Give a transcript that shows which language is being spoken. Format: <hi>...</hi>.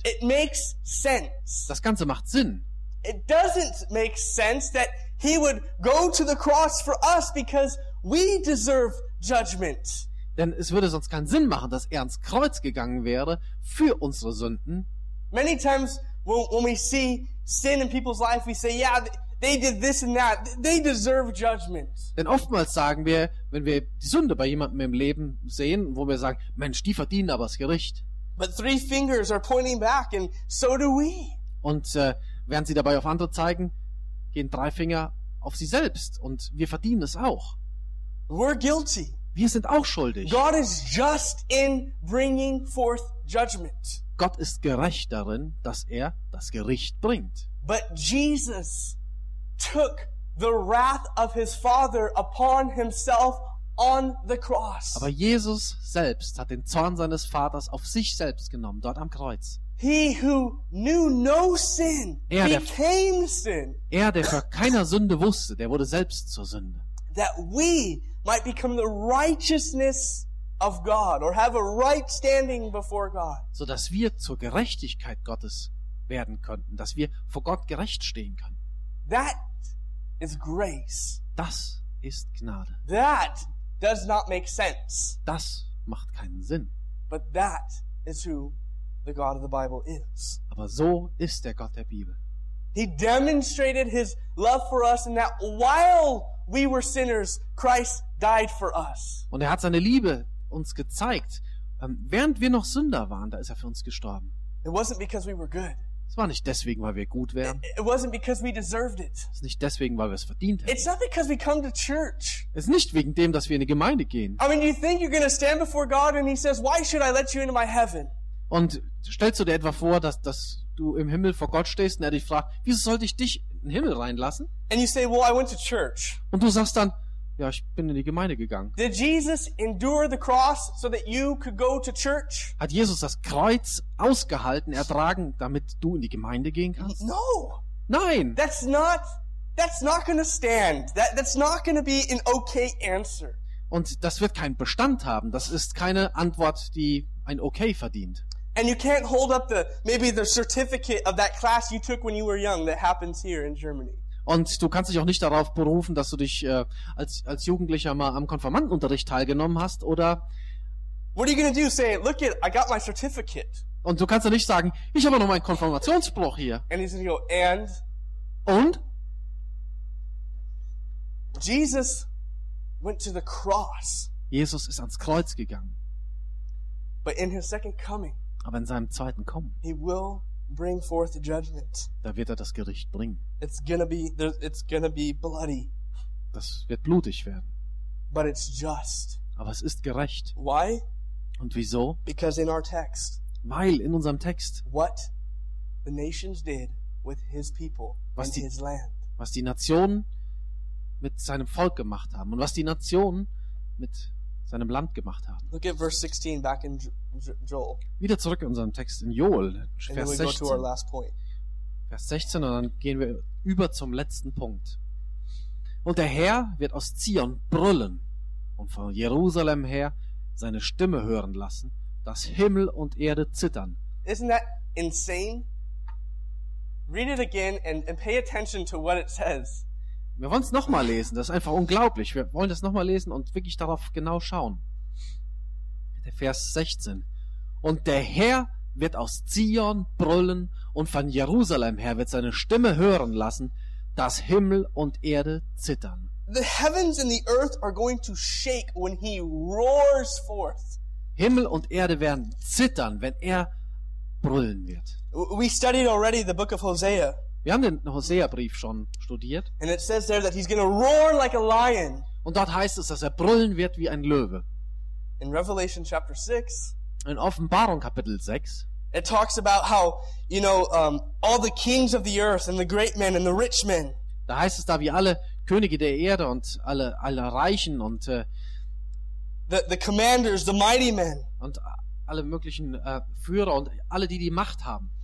<en>It makes sense.</en> <de>Das Ganze macht Sinn.</de> <en>It doesn't make sense that he would go to the cross for us because we deserve judgment.</en> <de>Denn es würde sonst keinen Sinn machen, dass er ans Kreuz gegangen wäre für unsere Sünden.</de> <en>Many times when we see sin in people's life, we say, yeah, they did this and that. They deserve judgment.</en> <de>Denn oftmals sagen wir, wenn wir die Sünde bei jemandem im Leben sehen, wo wir sagen, Mensch, die verdienen aber das Gericht.</de> <en>But three fingers are pointing back and so do we.</en> <de>Und während sie dabei auf andere zeigen, gehen drei Finger auf sie selbst und wir verdienen es auch.</de> <en>We're guilty.</en> <de>Wir sind auch schuldig.</de> <en>God is just in bringing forth judgment.</en> <de>Gott ist gerecht darin, dass er das Gericht bringt.</de> <en>But Jesus took the wrath of his Father upon himself on the cross.</en> <de>Aber Jesus selbst hat den Zorn seines Vaters auf sich selbst genommen, dort am Kreuz.</de> <en>He who knew no sin became sin.</en> <de>Er, der für keiner Sünde wusste, der wurde selbst zur Sünde.</de> <en>That we might become the righteousness of God or have a right standing before God.</en> <de>So dass wir zur Gerechtigkeit Gottes werden könnten, dass wir vor Gott gerecht stehen können.</de> <en>That is grace.</en> <de>Das ist Gnade.</de> <en>That does not make sense.</en> <de>Das macht keinen Sinn.</de> <en>But that is who the God of the Bible is.</en> <de>Aber so ist der Gott der Bibel.</de> <en>He demonstrated his love for us in that while we were sinners, Christ died for us.</en> <de>Und er hat seine Liebe uns gezeigt, während wir noch Sünder waren, da ist er für uns gestorben.</de> <en>It wasn't because we were good.</en> <de>Es war nicht deswegen, weil wir gut wären.</de> <en>It wasn't because we deserved it.</en> <de>Es ist nicht deswegen, weil wir es verdient hätten.</de> <en>It's not because we come to church.</en> <de>Es ist nicht wegen dem, dass wir in die Gemeinde gehen.</de> <en>I mean, you think you're going to stand before God and he says, why should I let you into my heaven?</en> <de>Und stellst du dir etwa vor, dass du im Himmel vor Gott stehst und er dich fragt, wieso sollte ich dich in den Himmel reinlassen?</de> <en>And you say, well, I went to church.</en> <de>Und du sagst dann, ja, ich bin in die Gemeinde gegangen.</de> <en>Did Jesus endure the cross so that you could go to church?</en> <de>Hat Jesus das Kreuz ausgehalten, ertragen, damit du in die Gemeinde gehen kannst?</de> <en>No.</en> <de>Nein.</de> <en>That's not gonna stand. That's not gonna be an okay answer.</en> <de>Und das wird keinen Bestand haben. Das ist keine Antwort, die ein Okay verdient.</de> <en>And you can't hold up maybe the certificate of that class you took when you were young that happens here in Germany.</en> <de>Und du kannst dich auch nicht darauf berufen, dass du dich als Jugendlicher mal am Konfirmandenunterricht teilgenommen hast, oder?</de> <en>What are you gonna do? Say, look it, I got my certificate.</en> <de>Und du kannst ja nicht sagen, ich habe noch meinen Konfirmationsspruch hier.</de> <en>And he's gonna go, and?</en> <de>Und?</de> <en>Jesus went to the cross.</en> <de>Jesus ist ans Kreuz gegangen.</de> <en>But in his second coming,</en> <de>aber in seinem zweiten Kommen,</de> <en>he will bring forth the judgment.</en> <de>Da wird er das Gericht bringen.</de> <en>It's gonna be bloody.</en> <de>Das wird blutig werden.</de> <en>But it's just.</en> <de>Aber es ist gerecht.</de> <en>Why?</en> <de>Und wieso?</de> <en>Because in our text.</en> <de>Weil in unserem Text.</de> <en>What the nations did with his people and his land.</en> <de>Was die Nationen mit seinem Volk gemacht haben und was die Nationen mit seinem Land gemacht haben.</de> <en>Look at verse 16 back in Joel.</en> <de>Wieder zurück in unserem Text in Joel, Vers 16.</de> <en>Go to our last point.</en> <de>Vers 16, und dann gehen wir über zum letzten Punkt. Und der Herr wird aus Zion brüllen und von Jerusalem her seine Stimme hören lassen, dass Himmel und Erde zittern.</de> <en>Isn't that insane? Read it again and pay attention to what it says.</en> <de>Wir wollen es nochmal lesen. Das ist einfach unglaublich. Wir wollen das nochmal lesen und wirklich darauf genau schauen. Der Vers 16. Und der Herr wird aus Zion brüllen und von Jerusalem her wird seine Stimme hören lassen, dass Himmel und Erde zittern.</de> <en>The heavens and the earth are going to shake when he roars forth.</en> <de>Himmel und Erde werden zittern, wenn er brüllen wird.</de> <en>We studied already the book of Hosea.</en> <de>Wir haben den Hosea-Brief schon studiert.</de> <en>And it says there that he's going to roar like a lion.</en> <de>Und dort heißt es, dass er brüllen wird wie ein Löwe.</de> <en>In Revelation chapter 6.</en> <de>In Offenbarung Kapitel 6.</de> <en>It talks about how, you know, all the kings of the earth and the great men and the rich men.</en> <de>Da heißt es da, wie alle Könige der Erde und alle Reichen und</de> <en>the commanders, the mighty men.</en> <de>Und alle möglichen Führer und alle, die Macht haben.</de>